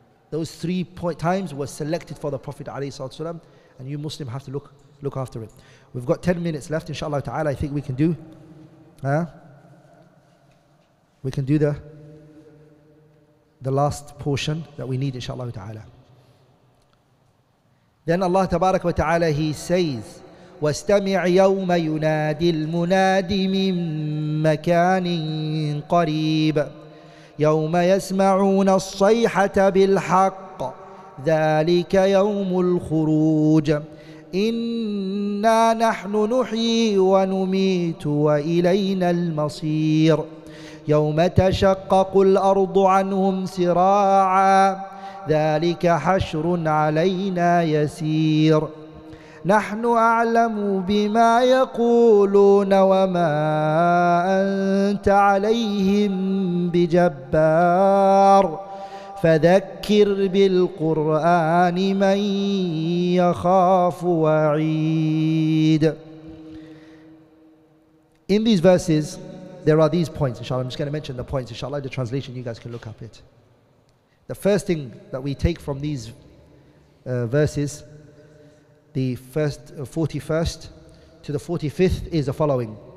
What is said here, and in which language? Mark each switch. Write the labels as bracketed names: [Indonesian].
[English] Those three point times were selected for the Prophet alayhi salatu wasalam, and you Muslim have to look after it. We've got 10 minutes left, inshallah ta'ala. I think we can do, we can do the last portion that we need, inshallah ta'ala. Then Allah tabarak wa ta'ala, he says, [Arabic] وَاسْتَمِعْ يَوْمَ يُنَادِي الْمُنَادِ مِنْ مَكَانٍ قَرِيبٍ يَوْمَ يَسْمَعُونَ الصَّيْحَةَ بِالْحَقِّ ذَلِكَ يَوْمُ الْخُرُوجِ إِنَّا نَحْنُ نُحْيِي وَنُمِيتُ وَإِلَيْنَا الْمَصِيرُ يَوْمَ تَشَقَّقُ الْأَرْضُ عَنْهُمْ سِرَاعًا ذَلِكَ حَشْرٌ عَلَيْنَا يَسِيرٌ نحن أعلم بما يقولون وما أنت عليهم بجبار فذكر بالقرآن من يخاف وعيد. [English] In these verses, there are these points, inshallah. I'm just going to mention the points, inshallah. The translation, you guys can look up it. The first thing that we take from these verses, the first 41st to the 45th, is the following.